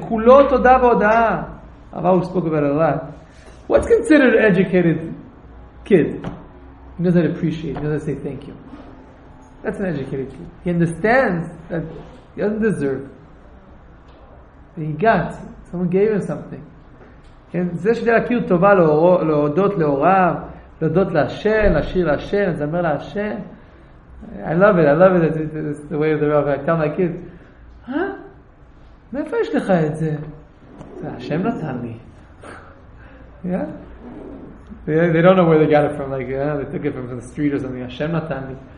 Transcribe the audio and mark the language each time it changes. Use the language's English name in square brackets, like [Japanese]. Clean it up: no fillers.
[Hebrew] Kulo toda voda. [English] I've always spoken about it a lot. What's considered an educated kid? He doesn't appreciate, he doesn't say thank you. That's an educated kid. He understands that he doesn't deserve. But he got, someone gave him something. [Hebrew] זה שדה להכיר טובה להודות להוריו, להודות להשם, להשאיר להשם, לזמר להשם. [English] I love it, it's the way of the rabbi. I tell my kids, [Hebrew] מאיפה יש לך את זה? השם נתן לי. [English] Yeah? They don't know where they got it from, like, they took it from the street or something. [Hebrew] Hashem natan li.